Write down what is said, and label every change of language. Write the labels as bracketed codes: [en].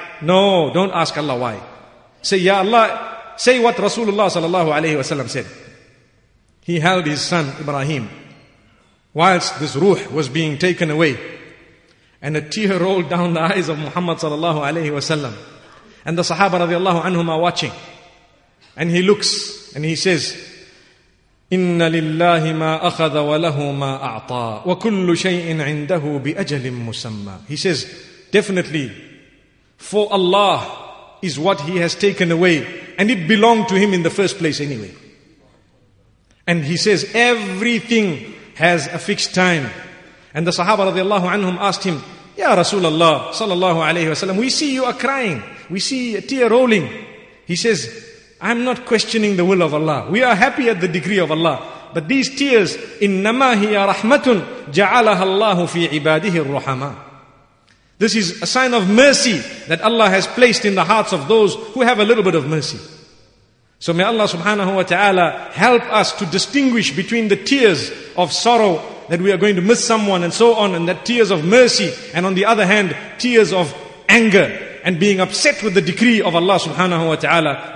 [en] No, don't ask Allah why. Say, Ya Allah, say what Rasulullah sallallahu alayhi wa sallam said. He held his son Ibrahim whilst this ruh was being taken away. And a tear rolled down the eyes of Muhammad sallallahu alayhi wa sallam. And the sahaba radiallahu anhum are watching. And he looks and he says, [ar] إِنَّ لِلَّهِ مَا أَخَذَ وَلَهُ مَا أَعْطَى وَكُلُّ شَيْءٍ عِنْدَهُ بِأَجَلٍ مُسَمَّى. [en] He says, definitely, for Allah is what He has taken away, and it belonged to Him in the first place anyway. And He says, everything has a fixed time. And the Sahaba radiallahu anhum asked Him, Ya Rasulullah sallallahu alayhi wa sallam, we see you are crying, we see a tear rolling. He says, I'm not questioning the will of Allah. We are happy at the decree of Allah. But these tears, [ar] إِنَّمَا هِيَ رَحْمَةٌ جَعَلَهَا اللَّهُ فِي عِبَادِهِ الرُّحَمَى. [en] This is a sign of mercy that Allah has placed in the hearts of those who have a little bit of mercy. So may Allah subhanahu wa ta'ala help us to distinguish between the tears of sorrow that we are going to miss someone and so on, and that tears of mercy, and on the other hand, tears of anger and being upset with the decree of Allah subhanahu wa ta'ala.